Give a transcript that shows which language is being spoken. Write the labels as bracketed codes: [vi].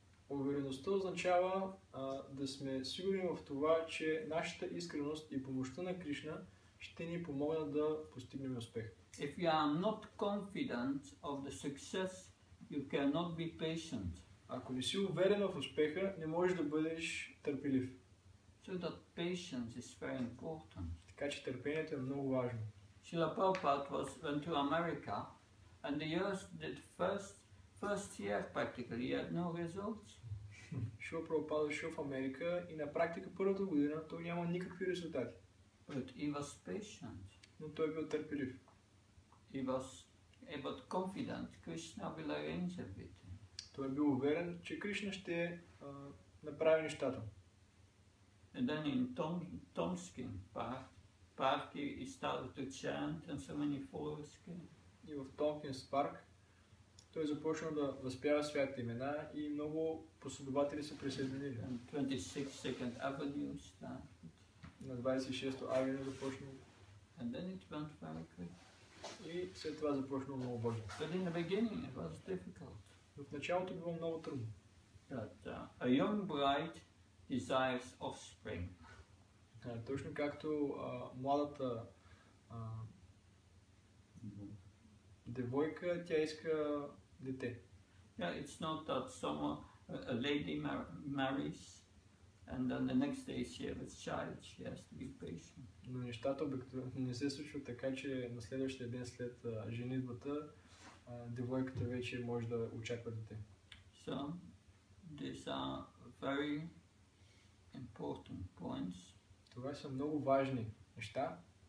[bg] Увереността означава да сме сигурни в това, че нашата искреност и помощта на Кришна ще ни помогнат да постигнем успех. [en] If you are not confident of the success, you cannot be patient. [bg] Ако не си уверен в успеха, не можеш да бъдеш търпелив. [en] So that patience is very important. [bg] Така че търпението е много важно. [en] Srila Prabhupada was went to America and the years did first year practically he had no results. [bg] Шрила Прабхупада дошъл в Америка и на практика първата година той няма никакви резултати. [en] But he was patient. [bg] Но той бил търпелив. [en] He was but confident Krishna will arrange everything. [bg] Той бил уверен, че Кришна ще направи нещата. [en] And then in Tomsky park he started to chant and so many followers came. [bg] И в Tomkins Park той започнал да възпява святите имена и много последователи се присъединили. [en] And 26 Second Avenue started. [bg] На 26-то авеню започнал. [en] And then it went very quickly. [bg] И след това започнал много бързо. [en] But in the beginning it was difficult. [bg] В началото било много трудно. [en] But a young bride desires offspring. [bg] Точно както младата девойка, тя иска дете. [en] Yeah, it's not that a lady marries and then the next day she has a child, she has to be patient. [bg] Но нещата не се случва така, че на следващия ден след женитбата девойката вече може да очаква дете. [en] So, these are very important points. [bg] Това са много важни неща.